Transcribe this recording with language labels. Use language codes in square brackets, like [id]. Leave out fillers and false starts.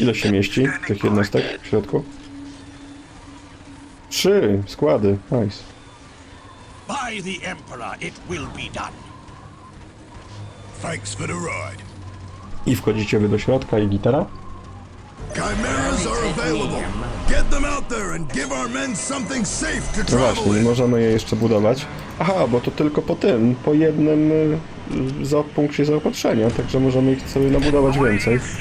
[pl] Ile się mieści tych jednostek w środku? 3 składy. Nice. [en] By the Emperor, it will be done. Thanks for the ride. [pl] I wchodzicie wy do środka i gitara. [en] Chimeras are available. Get them out there and give our men something safe to travel. [pl] No właśnie, nie możemy je jeszcze budować. Aha, bo to tylko po tym, po jednym za punkcie zaopatrzenia, także możemy ich sobie nabudować więcej.